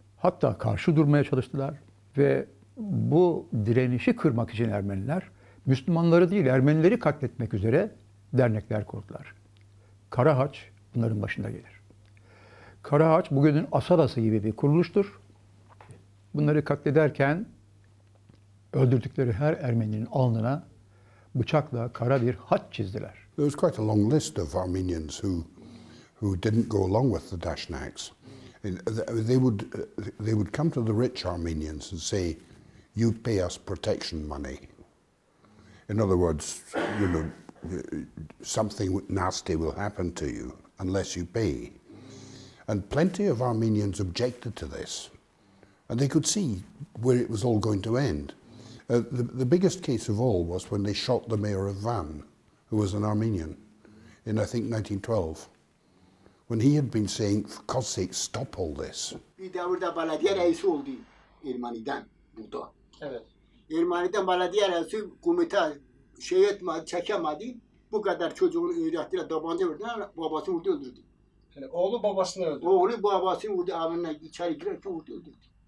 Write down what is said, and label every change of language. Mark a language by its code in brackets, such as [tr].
[tr] Hatta karşı durmaya çalıştılar ve bu direnişi kırmak için Ermeniler, Müslümanları değil Ermenileri katletmek üzere dernekler kurdular. Karahaç bunların başında gelir. Karahaç bugünün asalası gibi bir kuruluştur. Bunları katlederken öldürdükleri her Ermeninin alnına bıçakla kara bir haç çizdiler. [en] There was quite a long list of Armenians who didn't go along with the Dashnaks. They would come to the rich Armenians and say, you pay us protection money. In other words, you know, something nasty will happen to you unless you pay. And plenty of Armenians objected to this. And they could see where it was all going to end. The biggest case of all was when they shot the mayor of Van, who was an Armenian, in I think 1912. When he had been saying, for God's sake, stop all this. [tr] Bir de burada belediye reisi oldu Ermani'den burada. Evet. Ermani'den belediye reisi komite şey etmedi, çekemedi. Bu kadar çocuğunu öğrettiler, tabanca verdiler, babasını vurdu öldürdü. Yani oğlu babasını öldürdü. Oğlu babasını vurdu, evine içeri girerken vurdu öldürdü.